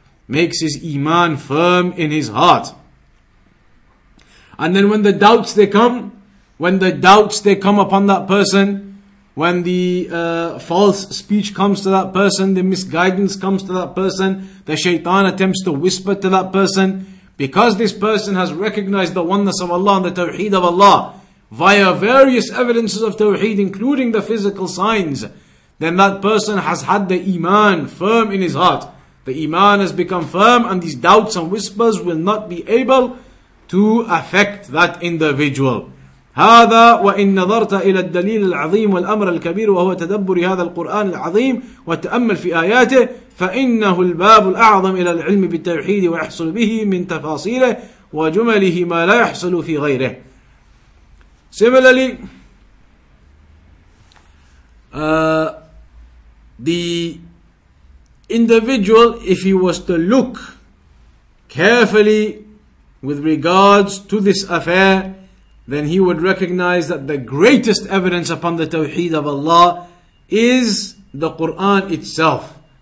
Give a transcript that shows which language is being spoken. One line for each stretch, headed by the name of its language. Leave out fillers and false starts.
English: Makes his iman firm in his heart. And then when the doubts they come, when the doubts they come upon that person, when the false speech comes to that person, the misguidance comes to that person, the shaitan attempts to whisper to that person, because this person has recognized the oneness of Allah and the tawheed of Allah via various evidences of tawheed, including the physical signs, then that person has had the iman firm in his heart. The iman has become firm, and these doubts and whispers will not be able to affect that individual.
Arabic: هذا وإن نظرت إلى الدليل العظيم والأمر الكبير وهو تدبر هذا القرآن العظيم والتأمل في آياته فإنه الباب الأعظم إلى العلم بالتوحيد ويحصل به من تفاصيله وجمله ما لا يحصل في غيره.
English: Similarly, the individual, if he was to look carefully with regards to this affair, then he would recognize that the greatest evidence upon the Tawheed of Allah is the Qur'an itself.